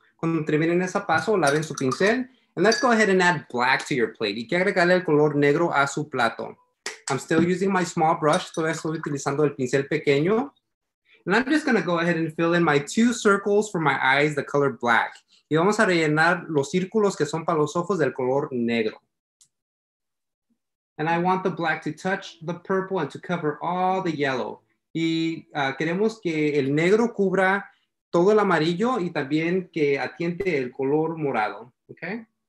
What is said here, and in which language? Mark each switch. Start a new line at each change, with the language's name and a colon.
Spanish: Cuando terminen ese paso, laven su pincel.
English: And let's go ahead and add black to your plate.
Spanish: Y que agregarle el color negro a su plato.
English: I'm still using my small brush.
Spanish: Todavía estoy utilizando el pincel pequeño.
English: And I'm just going to go ahead and fill in my two circles for my eyes, the color black.
Spanish: Y vamos a rellenar los círculos que son para los ojos del color negro.
English: And I want the black to touch the purple and to cover all the yellow.
Spanish: Y queremos que el negro cubra todo el amarillo y también que atiente el color morado, okay?